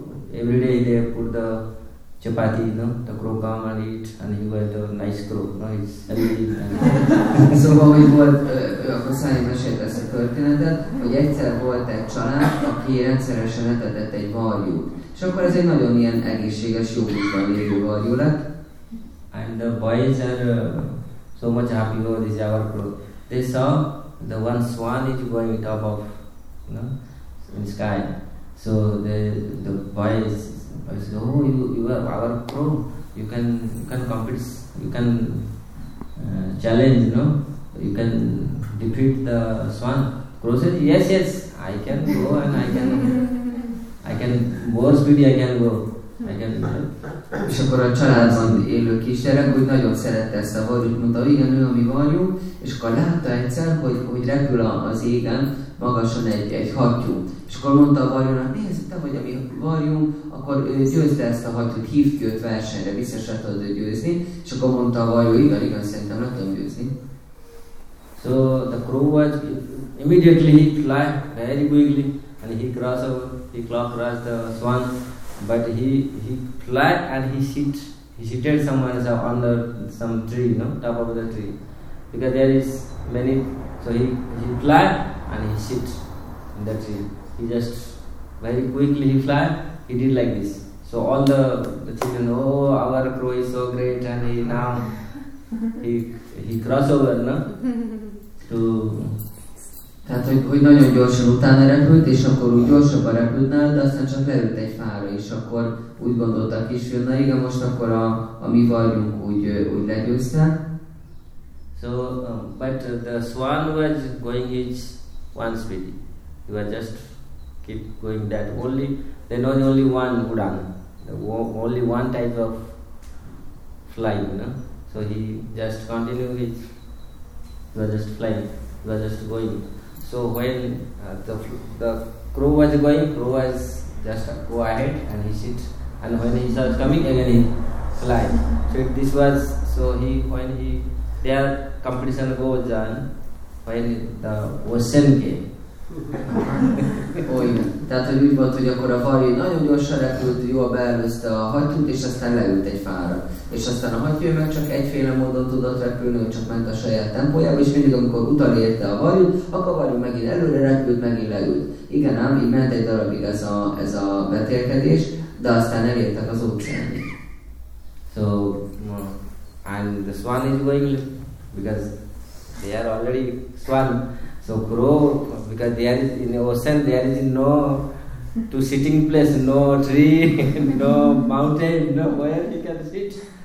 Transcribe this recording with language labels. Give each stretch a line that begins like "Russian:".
English: chapati, no? The crow come and eat, and he was a nice crow, no? He's healthy.
Hungarian: Szóval, hogy volt, akkor Szányi mesélte ezt a történetet, hogy egyszer volt egy család, aki rendszeresen etetett egy varjút. És akkor ez egy nagyon ilyen egészséges, jó útban lévő varjú lett.
English: And the boys are so much happy, no? This is our crow. They saw the one swan is going top of, no? In sky. So the boys, I said, oh, you are our crow. You can compete. You can challenge. No, you can defeat the swan. Crow said, yes, yes, I can go and I can more speedy. I can.
Hungarian: És akkor a családban élő kisgyerek úgy nagyon szerette ezt a varjút, mondta, igen, ő a mi varjú, és akkor látta egyszer, hogy repül az égen magasan egy hattyú. És akkor mondta a varjúnak, nézd, te vagy a mi varjunk, akkor győzte ezt a hattyút, hívj őt versenyre, vissza se tudod győzni. És akkor mondta a varjú, igen, szerintem le tudom győzni.
English: So the crow was immediately he fly very quickly, and he crossed the swan, but he fly and he seated somewhere on the some tree, no, top of the tree, because there is many. So he fly and he sit in the tree. He just very quickly he fly. He did like this. So all the children, oh, our crow is so great, and he now he cross over, no, to.
Hungarian: Tehát, hogy nagyon gyorsan utána repült, és akkor úgy gyorsabban repült nála, de aztán csak lerült egy fára, és akkor úgy gondolta a kisfiú, na igen, most akkor a mi varjunk úgy legyőzte.
English: So, but the swan was going his one speed. He was just keep going that only, they know only one udang, only one type of flying, you know. So he just continued his, he was just flying, he was just going. So when the crow was going, crow was just go ahead and he sit, and when he starts coming again he fly. So this was, so he, when he, their competition goes on, when the ocean came.
Hungarian: Oh, igen. Tehát, hogy úgy volt, hogy akkor a varjú nagyon gyorsan repült, jól beelőzte a hattyút, és aztán leült egy fára. És aztán a hattyú meg csak egyféle módon tudott repülni, hogy csak ment a saját tempójába, és mindig, amikor utalérte a varjút, akkor a varjú megint előre repült, megint leült. Igen ám, így ment egy darabig ez a vetélkedés, de aztán elértek az óceánig.
English: So, and the swan is going, because they are already swan. So crow, because there is in the ocean, there is no to sitting place, no tree, no mountain, no where he can sit.